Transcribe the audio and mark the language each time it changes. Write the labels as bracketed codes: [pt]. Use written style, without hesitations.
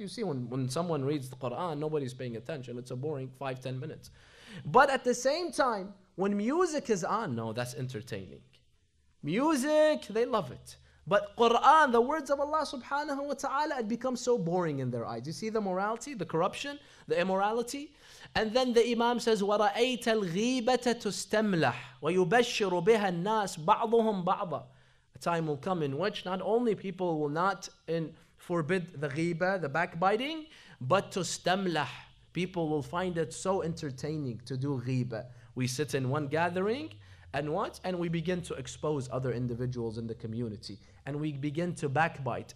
[en] You see, when someone reads the Qur'an, nobody's paying attention. It's a boring 5-10 minutes. But at the same time, when music is on, no, that's entertaining. Music, they love it. But Quran, the words of Allah subhanahu wa ta'ala, had become so boring in their eyes. You see the morality, the corruption, the immorality? And then the Imam says, [ar] وَرَأَيْتَ الْغِيبَةَ تُسْتَمْلَحْ وَيُبَشِّرُ بِهَا النَّاسِ بَعْضُهُمْ بَعْضًا. [en] A time will come in which not only people will not forbid the ghiba, the backbiting, but to stamlah, people will find it so entertaining to do ghiba. We sit in one gathering, and what? And we begin to expose other individuals in the community, and we begin to backbite.